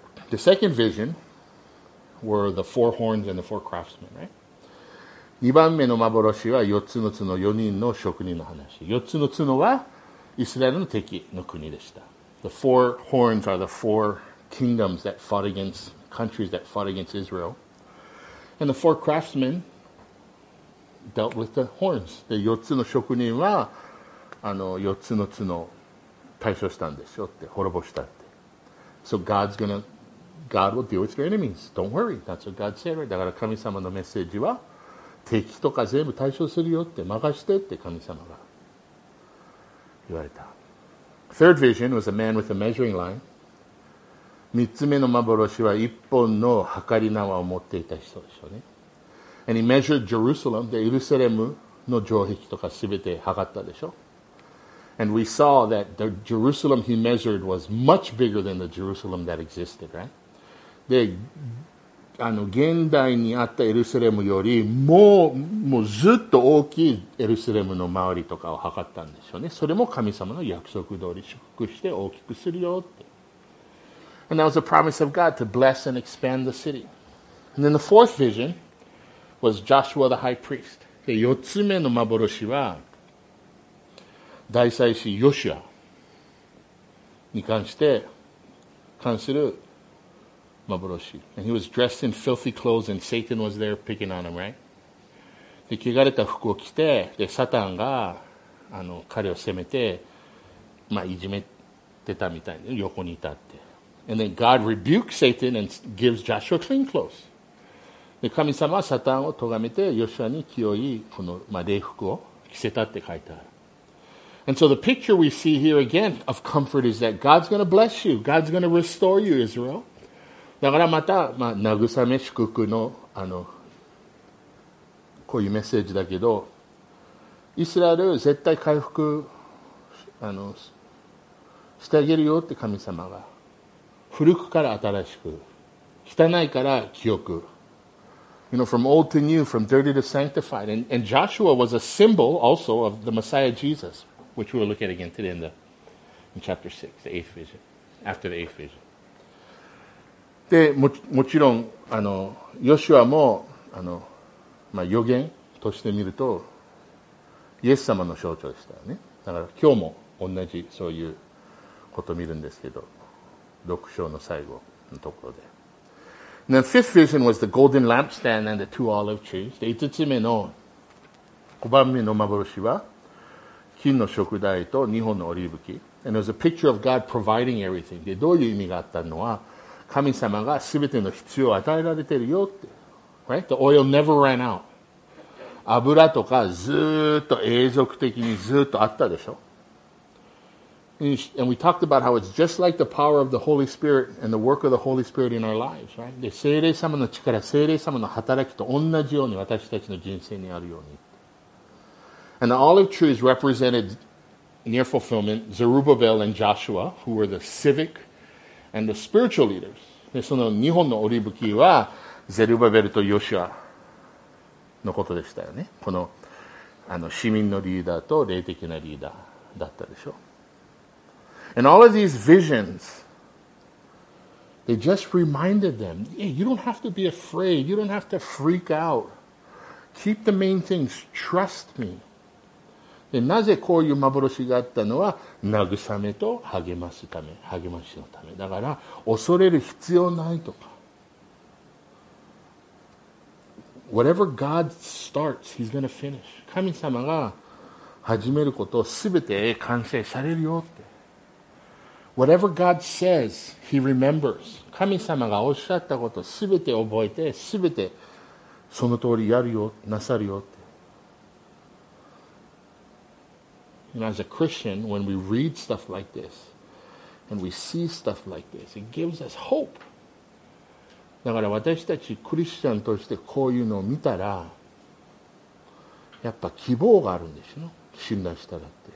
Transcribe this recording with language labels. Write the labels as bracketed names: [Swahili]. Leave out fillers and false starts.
[English] The second vision were the four horns and the four craftsmen, right? [Japanese] 2番目の幻は4つの角、4人の職人の話。 4つの角はイスラエルの敵の国でした。 [English] The four horns are the four kingdoms that fought against, countries that fought against Israel. And the four craftsmen dealt with the horns. [Japanese] で、四つの職人は、四つの角対処したんでしょって、滅ぼしたって。 [English] So God's gonna, God will deal with your enemies. Don't worry. That's what God said, right? [Japanese] だから神様のメッセージは、敵とか全部対処するよって、任してって神様が言われた。 [English] Third vision was a man with a measuring line. [Japanese] 三つ目の幻は一本の計り縄を持っていた人でしょうね。 [English] And he measured Jerusalem, the Jerusalem [Japanese] の城壁とかすべて測ったでしょ。 [English] And we saw that the Jerusalem he measured was much bigger than the Jerusalem that existed, right? [Japanese] で、現代にあったエルサレムよりもうずっと大きいエルサレムの周りとかを測ったんでしょうね。それも神様の約束通り祝福して大きくするよって。 [English] And that was a promise of God to bless and expand the city. And then the fourth vision was Joshua the high priest. [Japanese] で、四つ目の幻は大祭司ヨシュアに関する幻。 [English] And he was dressed in filthy clothes and Satan was there picking on him, right? [Japanese] で、汚れた服を着て、で、サタンが彼を責めて、まあ、いじめてたみたいに横にいたって。 [English] And then God rebukes Satan and gives Joshua clean clothes. [Japanese] で、神様はサタンを咎めて、ヨシュアに清い、礼服を着せたって書いてある。 [English] And so the picture we see here again of comfort is that God's going to bless you. God's going to restore you, Israel. [Japanese] だからまた、慰め祝福の、こういうメッセージだけど、イスラエル絶対回復、してあげるよって神様が。古くから新しく、汚いから清く。 [English] You know, from old to new, from dirty to sanctified. And Joshua was a symbol also of the Messiah Jesus, which we'll look at again today in chapter 6, the eighth vision, after the eighth vision. [Japanese] で、もちろん、ヨシュアも、予言として見ると、イエス様の象徴でしたよね。だから今日も同じそういうことを見るんですけど。 6章の最後のところで。 [English] And the fifth vision was the golden lampstand and the two olive trees. [Japanese] で、5つ目の、5番目の幻は、金の燭台と2本のオリーブ木。 [English] And it was a picture of God providing everything. [Japanese] で、どういう意味があったのは、神様が全ての必要を与えられてるよって。 [English] Right? The oil never ran out. [Japanese] 油とかずっと永続的にずっとあったでしょ。 [English] And we talked about how it's just like the power of the Holy Spirit and the work of the Holy Spirit in our lives, right? [Japanese] で、聖霊様の力、聖霊様の働きと同じように私たちの人生にあるように。 [English] And the olive trees represented near fulfillment, Zerubbabel and Joshua, who were the civic and the spiritual leaders. [Japanese] で、その日本のオリーブ木は、ゼルバベルとヨシュアのことでしたよね。この、市民のリーダーと霊的なリーダーだったでしょ。 [English] And all of these visions, they just reminded them, yeah, you don't have to be afraid. You don't have to freak out. Keep the main things. Trust me. [Japanese] で、なぜこういう幻があったのは、慰めと励ますため、励ましのため。だから、恐れる必要ないとか。 [English] Whatever God starts, He's going to finish. [Japanese] 神様が始めることを全て完成されるよって。 [English] Whatever God says, He remembers. [Japanese] 神様がおっしゃったことすべて覚えて、すべてその通りやるよ、なさるよって。 [English] And as a Christian, when we read stuff like this, and we see stuff like this, it gives us hope. [Japanese] だから私たちクリスチャンとしてこういうのを見たら、やっぱ希望があるんでしょ、信頼したらって。